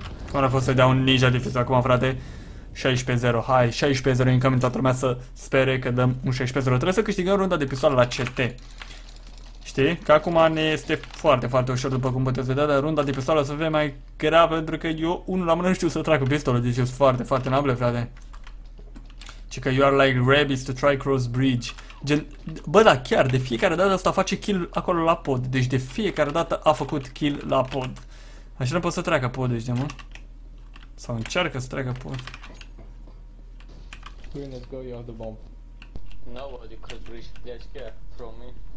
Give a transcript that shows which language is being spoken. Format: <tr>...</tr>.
<ro>Cum a fost să dea un ninja defense acum, frate? 16-0, hai, 16-0, incoming, toată lumea să spere că dăm un 16-0. Trebuie să câștigăm runda de pistoale la CT. Știi? Că acum ne este foarte, foarte ușor, după cum puteți vedea, dar runda de pistoale o să fie mai grea, pentru că eu, unul la mână, nu știu să trag cu pistolul, deci sunt foarte, foarte nable, frate. Ci că</ro> <en>you are like rabbits to try cross bridge.</en> <ro>Gen, bă, da, chiar, de fiecare dată asta face kill acolo la pod. Deci de fiecare dată a făcut kill la pod. Așa nu pot să treacă pod, deci, de mă? Sau încearcă să treacă pod.</ro> <en>Queen, let's go, you have the bomb. Nobody could reach that gap from me.</en>